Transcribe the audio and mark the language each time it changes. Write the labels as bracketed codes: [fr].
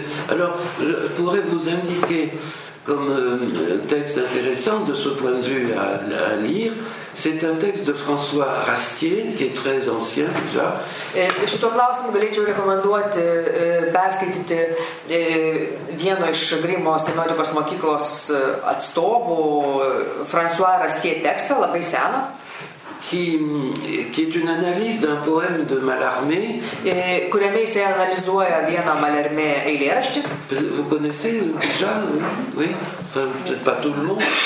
[fr] Alors, je pourrais vous indiquer comme texte intéressant de ce point de vue à lire, c'est un texte de François Rastier, qui est très ancien déjà. [lt] Šito klausimu galėčiau rekomenduoti perskaityti vieno iš Grimo semiotikos mokyklos atstovų François Rastier tekstą, labai seną. [fr] Qui est une analyse d'un poème de Mallarmé. [lt] Kuriame jis analizuoja vieną Mallarmé eilėraštį. [fr] Vous connaissez déjà, oui, enfin, peut-être pas tout le monde.